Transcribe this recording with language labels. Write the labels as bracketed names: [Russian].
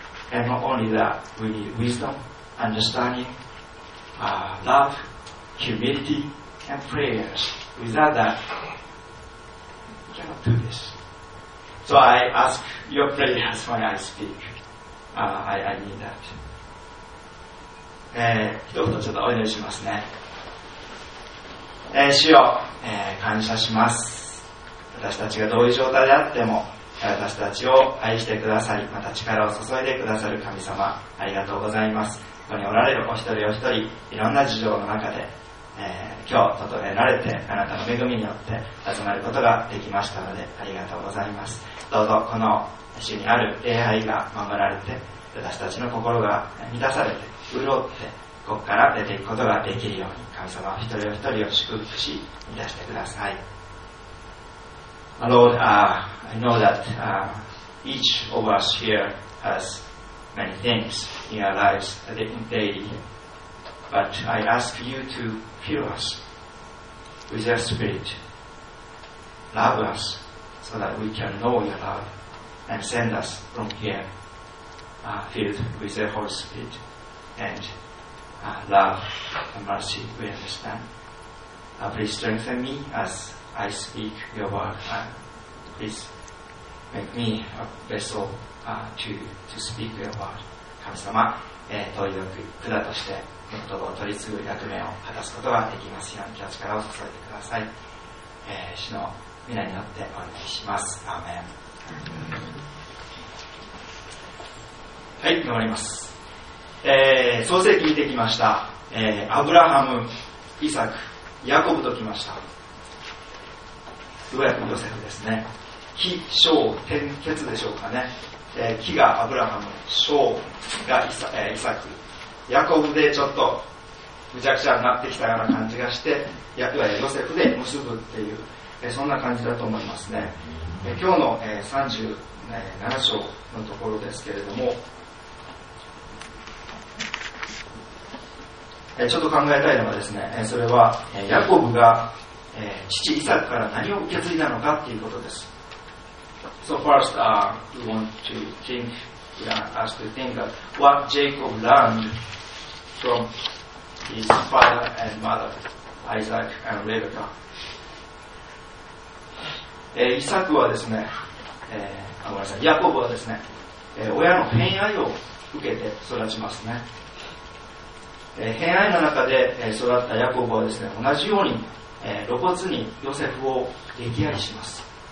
[English] And not only that, we need wisdom, understanding, love, humility, and prayers. Without that, we cannot do this. So I ask your prayers when I speak. I need that. [Japanese] 一言ちょっとお願いしますね。主よ、感謝します。私たちがどういう状態であっても私たちを愛してくださり、また力を注いでくださる神様、ありがとうございます。ここにおられるお一人お一人、いろんな事情の中で、今日整えられて、あなたの恵みによって集まることができましたので、ありがとうございます。どうぞこの主にある礼拝が守られて、私たちの心が満たされて潤って、ここから出ていくことができるように、神様一人お一人を祝福し満たしてください。 [English] Lord, I know that each of us here has many things in our lives daily, but I ask you to fill us with your spirit, love us so that we can know your love, and send us from here filled with the Holy Spirit and love and mercy, we understand. Please strengthen me as I speak your word. Please make me a vessel to speak your word. [Japanese] 神様、統一力、管として御言葉を取り継ぐ役目を果たすことができますように、今日力を注いでください。主の御名によってお願いします。アーメン。はい、終わります。創世記見てきました。アブラハム、イサク、ヤコブと来ました。ようやくヨセフですね。木、章、天、結でしょうかね。木がアブラハム、章がイサク、ヤコブでちょっとぐちゃぐちゃになってきたような感じがして、いわゆるヨセフで結ぶっていう、そんな感じだと思いますね。今日の、37章のところですけれども、ちょっと考えたいのはですね、それはヤコブが父イサクから何を受け継いだのかということです。 [English] So first we want to think, ask to think of what Jacob learned from his father and mother Isaac and Rebecca。 [Japanese] イサクはですね、ごめんなさい、ヤコブはですね、親の偏愛を受けて育ちますね。偏愛の中で育ったヤコブはですね、同じように露骨にヨセフを溺愛します。